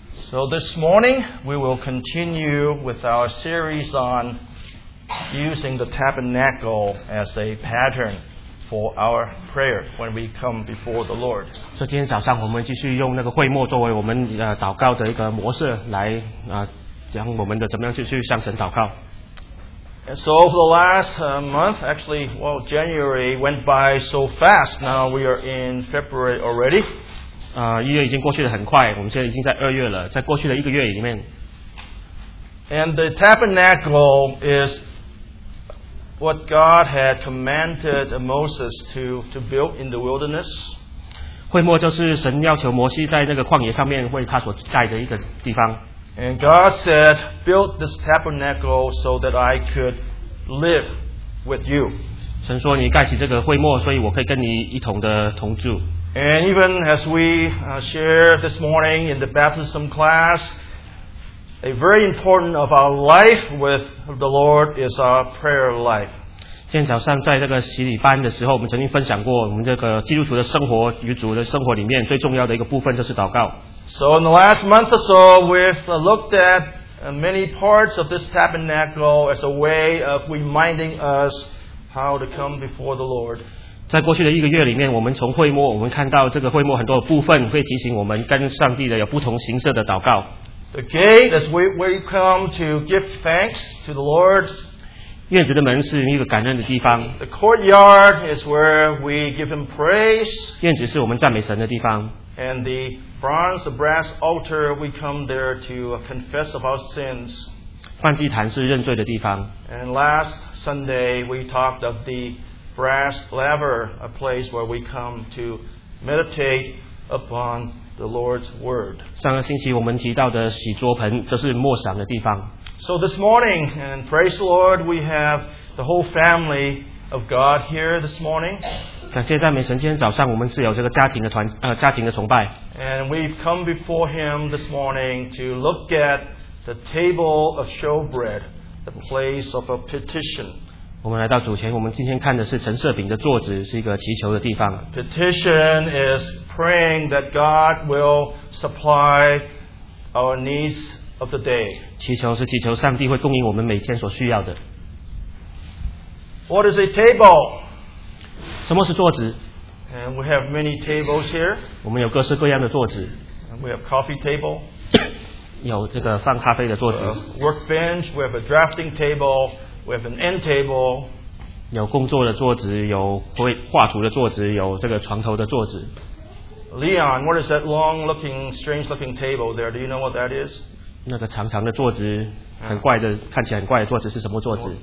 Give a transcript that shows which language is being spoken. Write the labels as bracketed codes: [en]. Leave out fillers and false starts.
[en] So this morning, we will continue with our series on using the tabernacle as a pattern for our prayer when we come before the Lord. [zh] So 今天早上我们继续用那个会幕作为我们祷告的一个模式来将我们的怎么样去向神祷告。 [en] And so over the last month, actually, well, January went by so fast. Now we are in February already. [zh] 一月已经过去得很快，我们现在已经在二月了，在过去的一个月里面。 [en] And the tabernacle is what God had commanded Moses to build in the wilderness. [zh] 会幕就是神要求摩西在那个旷野上面为他所盖的一个地方。 [en] And God said, build this tabernacle so that I could live with you. [zh] 神说你盖起这个会幕，所以我可以跟你一同的同住。 [en] And even as we share this morning in the baptism class, a very important of our life with the Lord is our prayer life. [zh] 今天早上在这个洗礼班的时候，我们曾经分享过我们这个基督徒的生活与主的生活里面最重要的一个部分就是祷告。 [en] So in the last month or so, we've looked at many parts of this tabernacle as a way of reminding us how to come before the Lord. [zh] 在过去的一个月里面，我们从会幕，我们看到这个会幕很多的部分会提醒我们跟上帝的有不同形式的祷告。 [en] The gate is where you come to give thanks to the Lord. [zh] 院子的门是一个感恩的地方。 [en] The courtyard is where we give Him praise. [zh] 院子是我们赞美神的地方。 [en] And the bronze, the brass altar, we come there to confess of our sins. [zh] 燔祭坛是认罪的地方。 [en] And last Sunday, we talked of the brass laver, a place where we come to meditate upon the Lord's word. [zh] 上个星期我们提到的洗桌盆，这是默想的地方。 [en] So this morning, and praise the Lord, we have the whole family of God here this morning. [zh] 感谢赞美神，今天早上我们是有这个家庭的团家庭的崇拜。 [en] And we've come before Him this morning to look at the table of showbread, the place of a petition. [zh] 我们来到主前，我们今天看的是陈设饼的座子，是一个祈求的地方。 [en] Petition is praying that God will supply our needs of the day. [zh] 祈求是祈求上帝会供应我们每天所需要的。 [en] What is a table? [zh] 什么是桌子? [en] And we have many tables here. [zh] 我们有各式各样的桌子。 [en] And we have coffee table. [zh] 有这个放咖啡的桌子。 [en] Work bench, we have a drafting table, we have an end table. [zh] 有工作的桌子，有画图的桌子，有这个床头的桌子。 [en] Leon, what is that long looking, strange looking table there? Do you know what that is? [zh] 那个长长的桌子，很怪的，看起来很怪的桌子是什么桌子?